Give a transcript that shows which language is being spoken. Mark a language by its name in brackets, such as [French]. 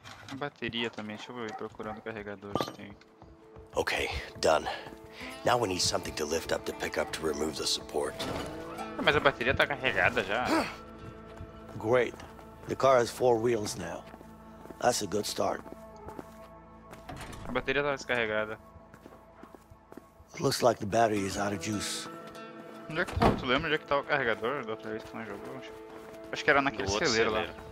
[Portuguese] A bateria também, deixa eu ir procurando carregador se tem. [English] Okay, done. Now we need something to lift up the pickup to remove the support. [Portuguese] Ah, mas a bateria tá carregada já. [English] Great. The car has four wheels now. That's a good start. [Portuguese] A bateria tá descarregada. [English] It looks like the battery is out of juice. [Portuguese] Onde é que tava? Tu lembra onde é que tava o carregador da outra vez que nós jogamos? Acho que era naquele celeiro, celeiro lá.